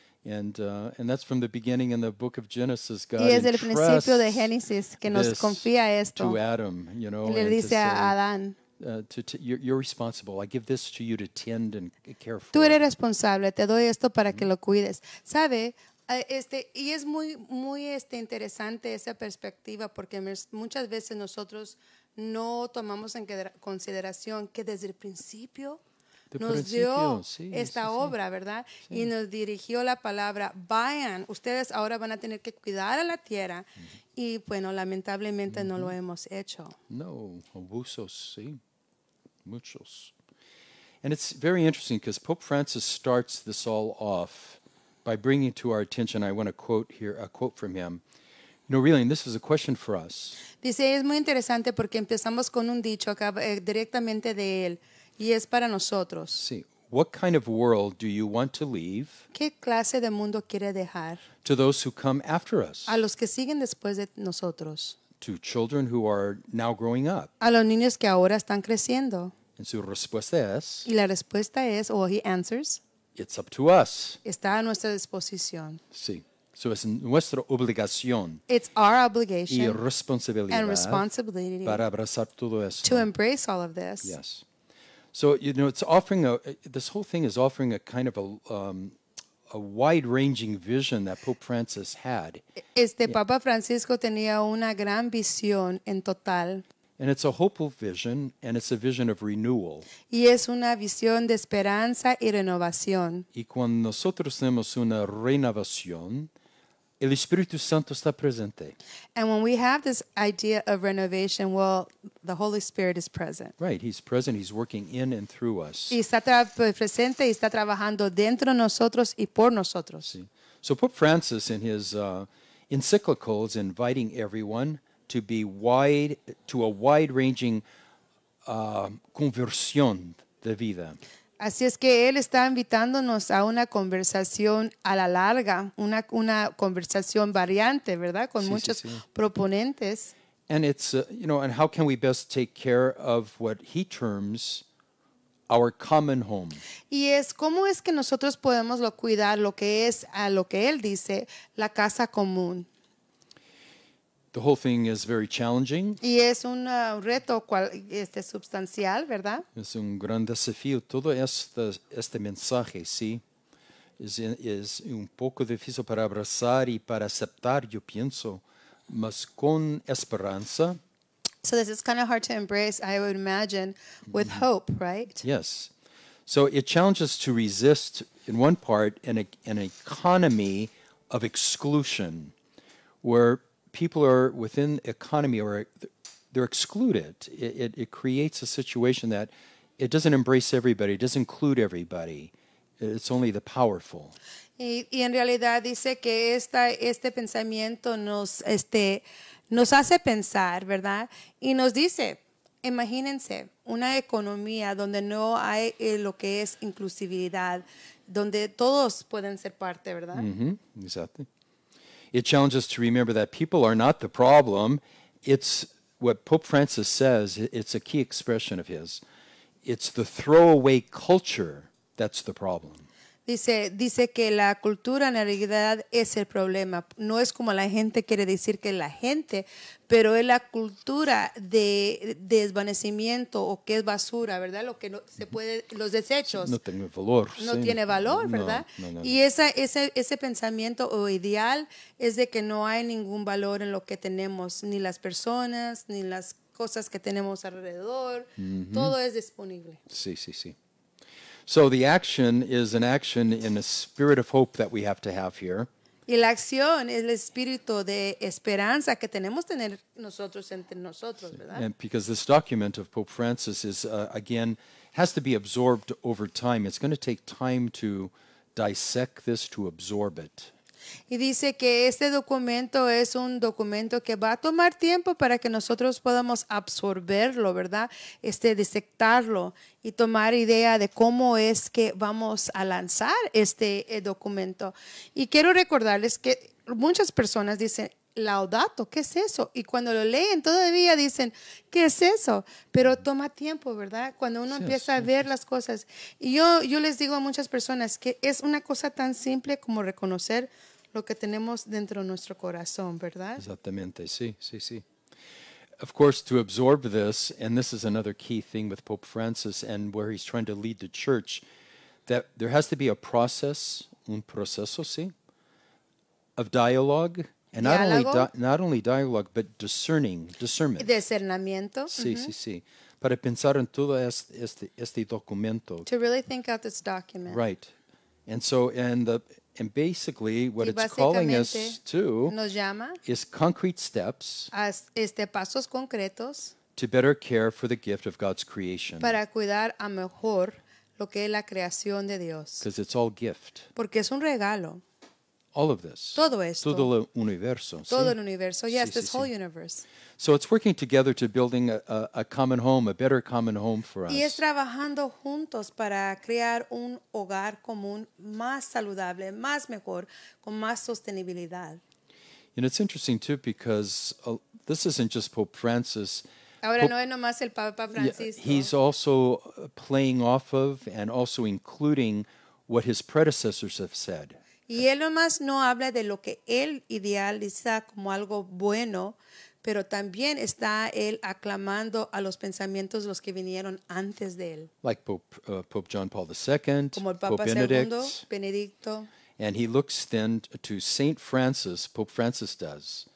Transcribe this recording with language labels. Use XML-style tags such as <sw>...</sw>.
<en>And that's from the beginning in the book of Genesis. God</en> <es>y es el principio de Génesis que nos confía esto.</es> <en>To Adam, you know,</en> <es>y le dice a Adán.</es> <en>You're responsible. I give this to you to tend and care for.</en> <es>Tú eres responsable. Te doy esto para que lo cuides. ¿Sabe? Y es muy, muy interesante esa perspectiva porque muchas veces nosotros no tomamos en consideración que desde el principio nos dio esta obra, ¿verdad? Sí. Y nos dirigió la palabra, vayan, ustedes ahora van a tener que cuidar a la tierra. Mm-hmm. Y bueno, lamentablemente mm-hmm. no lo hemos hecho. No, abusos, sí, muchos.</es> <en>And it's very interesting because Pope Francis starts this all off by bringing to our attention, I want to quote here, a quote from him. No, really, and this is a question for us.</en> <es>Dice, es muy interesante porque empezamos con un dicho acá, directamente de él. Y es para nosotros. Sí.</es> <en>What kind of world do you want to leave?</en> <es>¿Qué clase de mundo quiere dejar?</es> <en>To those who come after us.</en> <es>A los que siguen después de nosotros.</es> <en>To children who are now growing up.</en> <es>A los niños que ahora están creciendo. And su respuesta es. Y la respuesta es,</es> <en>or he answers. It's up to us.</en> <es>Está a nuestra disposición. Sí. So es nuestra obligación.</es> <en>It's our obligation.</en> <es>Y responsabilidad.</es> <en>And responsibility.</en> <es>Para abrazar todo esto.</es> <en>To embrace all of this. Yes. So, you know, it's offering this whole thing is offering a kind of a wide-ranging vision that Pope Francis had.</en> <es>Papa Francisco tenía una gran visión en total.</es> <en>And it's a hopeful vision, and it's a vision of renewal.</en> <es>Y es una visión de esperanza y renovación. Y cuando nosotros tenemos una renovación, el Espíritu Santo está presente.</es> <en>And when we have this idea of renovation, well, the Holy Spirit is present. Right, he's present, he's working in and through us.</en> <es>Y está presente y está trabajando dentro de nosotros y por nosotros.</es> <en>Sí. So Pope Francis in his encyclical is inviting everyone to be wide to a wide-ranging</en> <es>conversión de vida. Así es que él está invitándonos a una conversación a la larga, una conversación variante, ¿verdad? Con sí, muchos sí, sí. proponentes.</es> <en>And it's you know, and how can we best take care of what he terms our common home?</en> <es>Y es cómo es que nosotros podemos lo cuidar lo que es a lo que él dice la casa común.</es> <en>The whole thing is very challenging.</en> <es>Y es un reto cual, sustancial, ¿verdad? Es un gran desafío. Todo este mensaje, sí, es un poco difícil para abrazar y para aceptar, yo pienso, mas con esperanza.</es> <en>So this is kind of hard to embrace, I would imagine, with hope, right? Yes. So it challenges to resist, in one part, an economy of exclusion, where people are within economy or they're excluded. It creates a situation that it doesn't embrace everybody, it doesn't include everybody. It's only the powerful.</en> <es>Y en realidad dice que este pensamiento nos hace pensar, ¿verdad? Y nos dice, imagínense una economía donde no hay lo que es inclusividad, donde todos pueden ser parte, ¿verdad?</es> <en>Mm-hmm. Exactly. It challenges to remember that people are not the problem. It's what Pope Francis says, it's a key expression of his. It's the throwaway culture that's the problem.</en> <es>Dice que la cultura en realidad es el problema. No es como la gente quiere decir que la gente, pero es la cultura de desvanecimiento o que es basura, ¿verdad? Lo que no se puede, los desechos. No tiene valor. No sí. tiene valor, ¿verdad? No, no. Y ese pensamiento o ideal es de que no hay ningún valor en lo que tenemos, ni las personas, ni las cosas que tenemos alrededor. Mm-hmm. Todo es disponible. Sí, sí, sí.</es> <en>So the action is an action in a spirit of hope that we have to have here.</en> <es>Y la acción es el espíritu de esperanza que tenemos tener nosotros entre nosotros, ¿verdad?</es> <en>And because this document of Pope Francis is, again, has to be absorbed over time. It's going to take time to dissect this, to absorb it.</en> <es>Y dice que este documento es un documento que va a tomar tiempo para que nosotros podamos absorberlo, ¿verdad? Disectarlo y tomar idea de cómo es que vamos a lanzar este documento. Y quiero recordarles que muchas personas dicen, Laudato, ¿qué es eso? Y cuando lo leen todavía dicen, ¿qué es eso? Pero toma tiempo, ¿verdad? Cuando uno empieza a ver las cosas. Y yo les digo a muchas personas que es una cosa tan simple como reconocer lo que tenemos dentro de nuestro corazón, ¿verdad? Exactamente, sí, sí, sí.</es> <en>Of course, to absorb this, and this is another key thing with Pope Francis and where he's trying to lead the church, that there has to be a process,</en> <es>un proceso,</es> <en>sí, of dialogue, and</en> <es>diálogo.</es> <en>not only dialogue, but discerning, discernment.</en> <es>Y discernimiento. Sí, uh-huh. sí, sí. Para pensar en todo este documento.</es> <en>To really think out this document. Right. And basically, what it's calling us to is concrete steps</en> <es>pasos concretos</es> <en>to better care for the gift of God's creation.</en> <es>Para cuidar a mejor lo que es la creación de Dios.</es> <en>Because it's all gift.</en> <es>Porque es un regalo.</es> <en>All of this.</en> <es>Todo esto. Todo el universo. Todo sí. el universo.</es> <en>Yes,</en> <es>sí,</es> <en>this sí, whole sí. universe. So it's working together to building a common home, a better common home for us.</en> <es>Y es trabajando juntos para crear un hogar común más saludable, más mejor, con más sostenibilidad.</es> <en>And it's interesting too because this isn't just Pope Francis.</en> <es>Ahora no es nomás el Papa Francisco.</es> <en>He's also playing off of and also including what his predecessors have said.</en> <es>Y él nomás no habla de lo que él idealiza como algo bueno, pero también está él aclamando a los pensamientos los que vinieron antes de él.</es> <en>Like Pope John Paul II,</en> <es>como el Papa</es> <en>Pope</en> <es>Benedicto.</es> <en>And he looks then to Saint Francis, Pope Francis does.</en>